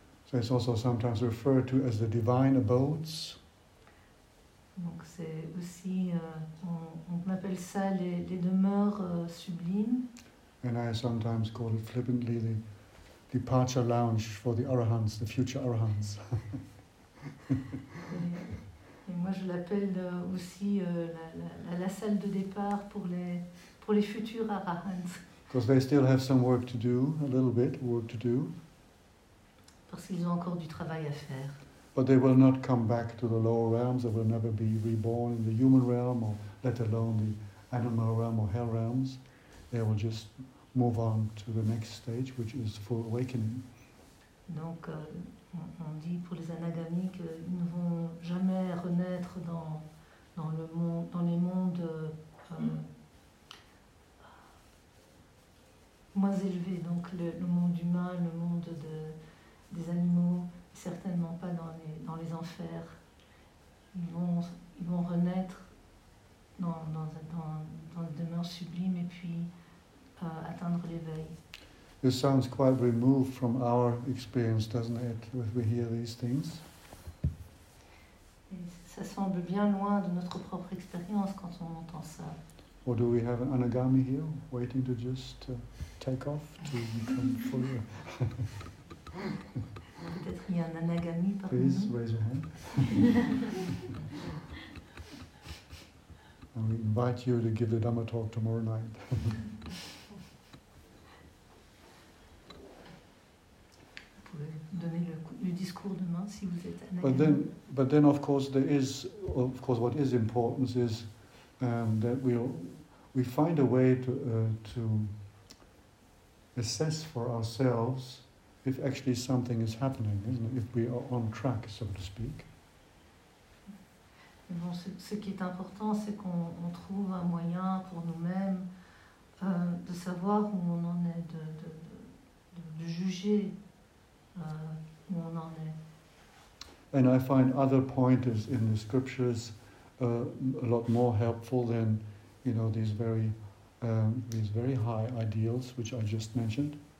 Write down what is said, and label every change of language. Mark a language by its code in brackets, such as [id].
[en] So it's also sometimes referred to as the divine abodes. [fr] Donc c'est aussi, on appelle ça les demeures sublimes. [en] And I sometimes call it flippantly the departure lounge for the arahants, the future arahants. [fr] et moi je l'appelle aussi la salle de départ pour les futurs arahants. [en] Because they still have some work to do, a little bit work to do. [fr] Parce qu'ils ont encore du travail à faire. [en] But they will not come back to the lower realms, they will never be reborn in the human realm, or let alone the animal realm or hell realms. They will just move on to the next stage, which is full awakening. [fr] Donc, on dit pour les anagami qu'ils ne vont jamais renaître dans les mondes moins élevés, donc le monde humain, le monde des animaux, certainement pas dans les enfers. Ils vont renaître dans une demeure sublime et puis atteindre l'éveil. [en] This sounds quite removed from our experience, doesn't it, when we hear these things? [fr] Et ça semble bien loin de notre propre expérience quand on entend ça. [en] Or do we have an anagami here, waiting to just take off, to become fuller? [fr] Peut-être il y a un anagami parmi nous. [en] Please raise your hand. And we invite you to give the Dhamma talk tomorrow night. [fr] Vous pouvez donner le discours demain si vous êtes anagami. [en] But then of course there is, of course what is important is that we find a way to assess for ourselves if actually something is happening, isn't it? If we are on track, so to speak. [fr] Bon, ce qui est important, c'est qu'on trouve un moyen pour nous-mêmes de savoir où on en est, de juger où on en est. [en] And I find other pointers in the scriptures a lot more helpful than, you know, these very high ideals which I just mentioned.